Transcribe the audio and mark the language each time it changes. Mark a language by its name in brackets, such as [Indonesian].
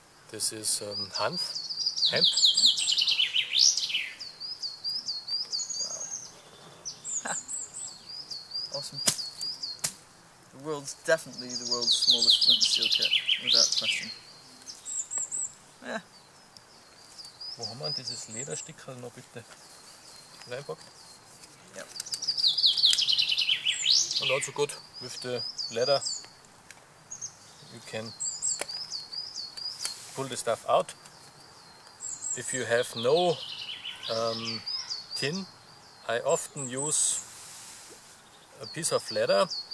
[English] This is hemp. Wow. Awesome. The world's definitely the world's smallest flint steel kit, without question. [German] Wo haben wir dieses Lederstück noch bitte reinpackt? Ja. Und also gut [English] with the leather. You can pull the stuff out. If you have no tin, I often use a piece of leather.